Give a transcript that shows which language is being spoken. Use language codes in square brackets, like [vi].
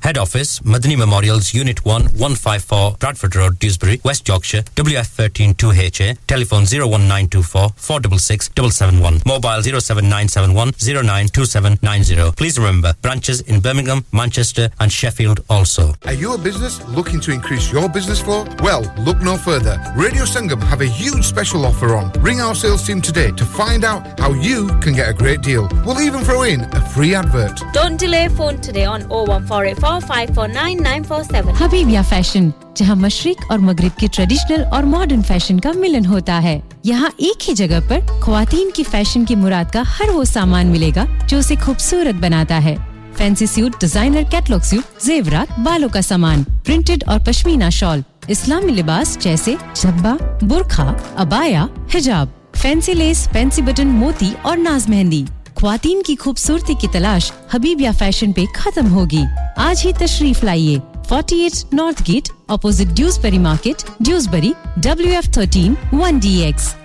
[ur] Head office Madani میموریلز unit 1 154 برادفورڈ road Dewsbury waste Yorkshire WF13 2HA tele phone 01924 466771 Mobile 07971 092790 [en] Please remember, branches in Birmingham, Manchester and Sheffield also. Are you a business looking to increase your business flow? Well, look no further. Radio Sangam have a huge special offer on. Ring our sales team today to find out how you can get a great deal. We'll even throw in a free advert. Don't delay, phone today on 01484549947 [ur] Habibia Fashion جہاں مشرق اور مغرب کے traditional اور modern fashion کا ملن ہوتا ہے یہاں ایک ہی جگہ پر خواتین کی فیشن کی مراد کا ہر وہ سامان ملے گا جو اسے خوبصورت بناتا ہے fancy suit, designer catalogue suit, زیورات، بالوں کا سامان پرنٹڈ اور پشمینہ شال اسلامی لباس جیسے جھبا، برکھا، ابایا، حجاب فینسی لیس، فینسی بٹن، موتی اور ناز مہندی خواتین کی خوبصورتی کی تلاش حبیبیہ فیشن پہ ختم ہوگی آج ہی تشریف لائیے 48 North Gate, opposite Dewsbury Market, Dewsbury, WF13 1DX.